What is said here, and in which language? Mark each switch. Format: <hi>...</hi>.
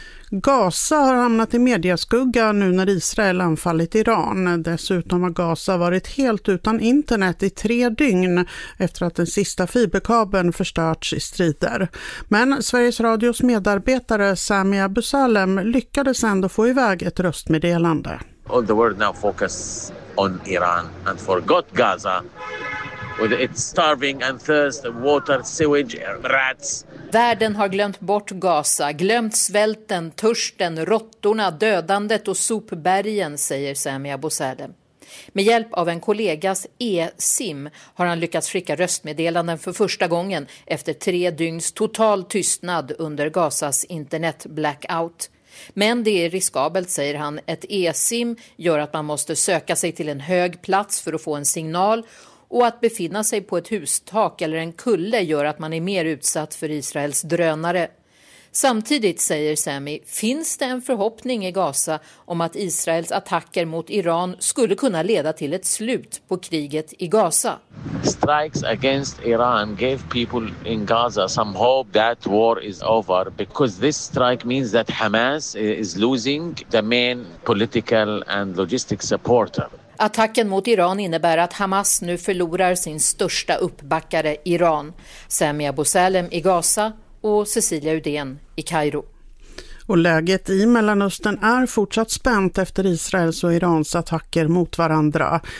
<sv>Gaza har hamnat i medieskugga nu när Israel anfallit Iran. Dessutom har Gaza varit helt utan internet i 3 dygn efter att den sista fiberkabeln förstörts i strider. Men Sveriges Radios medarbetare Sami Abu Salem lyckades ändå få iväg ett röstmeddelande.</sv> <en>All the world now focus on Iran and forgot Gaza. With its starving and thirst, water, sewage, rats.</en> <sv>Världen har glömt bort Gaza, glömt svälten, törsten, råttorna, dödandet och sopbergen, säger Sami Abu Salem. Med hjälp av en kollegas e-sim har han lyckats skicka röstmeddelanden för första gången efter 3 dygns total tystnad under Gazas internet-blackout. Men det är riskabelt, säger han. Ett e-sim gör att man måste söka sig till en hög plats för att få en signal. Och att befinna sig på ett hustak eller en kulle gör att man är mer utsatt för Israels drönare. Samtidigt, säger Sami, finns det en förhoppning i Gaza om att Israels attacker mot Iran skulle kunna leda till ett slut på kriget i Gaza.</sv> <en>Strikes against Iran gave people in Gaza some hope that war is over because this strike means that Hamas is losing the main political and logistic supporter.</en> <sv>Attacken mot Iran innebär att Hamas nu förlorar sin största uppbackare Iran. Sami Abu Salem i Gaza och Cecilia Udén i Kairo. Och läget i Mellanöstern är fortsatt spänt efter Israels och Irans attacker mot varandra.</sv>